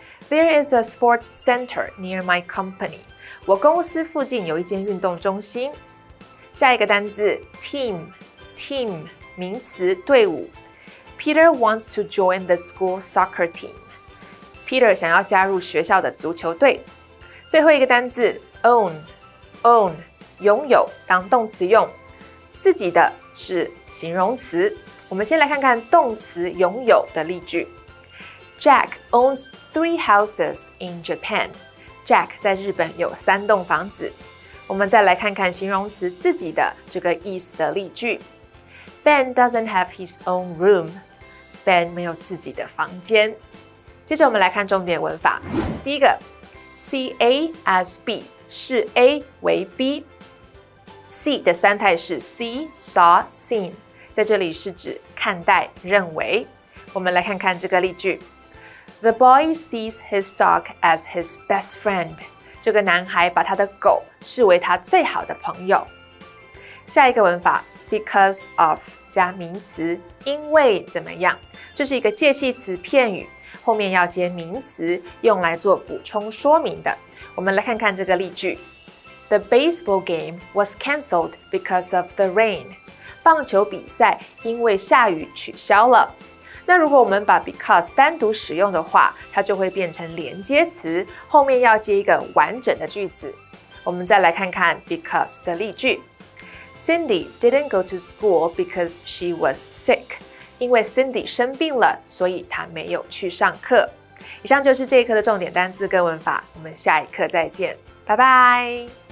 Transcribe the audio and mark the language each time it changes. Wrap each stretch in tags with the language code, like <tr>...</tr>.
<en>There is a sports center near my company.</en> <zh>我公司附近有一间运动中心。下一个单字 ,team, team, 名词队伍。</zh> <en>Peter wants to join the school soccer team.</en> <zh>Peter 想要加入学校的足球队。最后一个单字 ,own, own, 拥有当动词用。自己的是形容词。我们先来看看动词拥有的例句。</zh> <en>Jack owns three houses in Japan. Jack</en> <zh>在日本有三栋房子。我们再来看看形容词自己的这个意思的例句。</zh> <en>Ben doesn't have his own room. Ben</en> <zh>没有自己的房间。接着我们来看重点文法。第一个 ,see A as B, 视 A 为 B。 see 的三态是 see, saw, seen, 在这里是指看待、认为。我们来看看这个例句。</zh> <en>The boy sees his dog as his best friend.</en> <zh>这个男孩把他的狗视为他最好的朋友。下一个文法 ,because of 加名词因为怎么样。这是一个介系词片语后面要接名词用来做补充说明的。我们来看看这个例句。</zh> <en>The baseball game was cancelled because of the rain.</en> <zh>棒球比赛因为下雨取消了。那如果我们把 because 单独使用的话，它就会变成连接词，后面要接一个完整的句子。我们再来看看 because 的例句。</zh> <en>Cindy didn't go to school because she was sick.</en> <zh>因为 Cindy 生病了，所以她没有去上课。以上就是这一课的重点单字跟文法，我们下一课再见，拜拜。</zh>